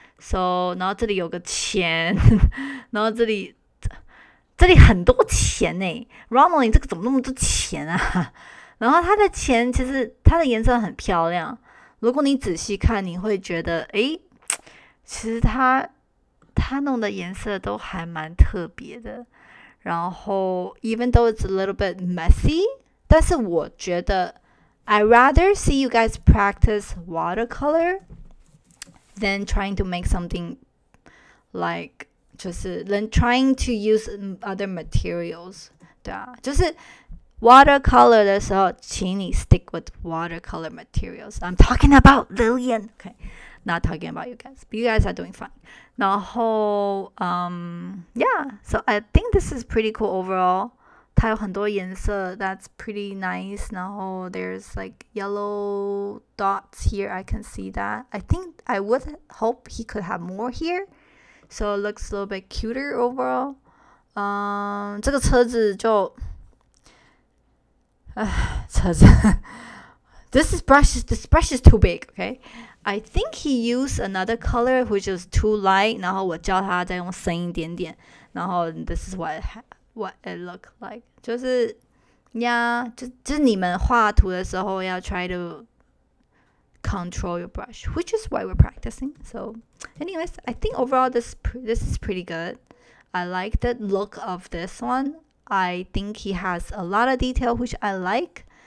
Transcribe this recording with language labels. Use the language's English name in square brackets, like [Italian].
[Chinese] So，然后这里有个钱，然后这里很多钱呢。 Ronald，你这个怎么那么多钱啊？然后他的钱其实它的颜色很漂亮，如果你仔细看，你会觉得诶，其实他弄的颜色都还蛮特别的。 [English] 然后 even though it's a little bit messy， [Chinese] 但是我觉得 [English] I rather see you guys practice watercolor。 Then trying to make something like [Chinese] 就是 [English] then trying to use other materials， [Chinese] 对啊，就是 [English] watercolor [Chinese] 的时候，请你 [English] stick with watercolor materials. I'm talking about Lillian. Okay, not talking about you guys. But you guys are doing fine. 然后yeah. So I think this is pretty cool overall. [Chinese] 它有很多颜色 [English] that's pretty nice. 然后 there's like yellow dots here. I can see that. I think I would hope he could have more here. So it looks a little bit cuter overall. [Chinese] 这个车子就车子 [English] This brush is too big, okay? I think he used another color which is too light. [Chinese] 然后我叫他再用深一点点。 [English] 然后 this is what it looked like. 就是 yeah, [Chinese] 就你们画图的时候要 [English] try to control your brush, which is why we're practicing. So anyways, I think overall this is pretty good. I like the look of this one. I think he has a lot of detail, which I like.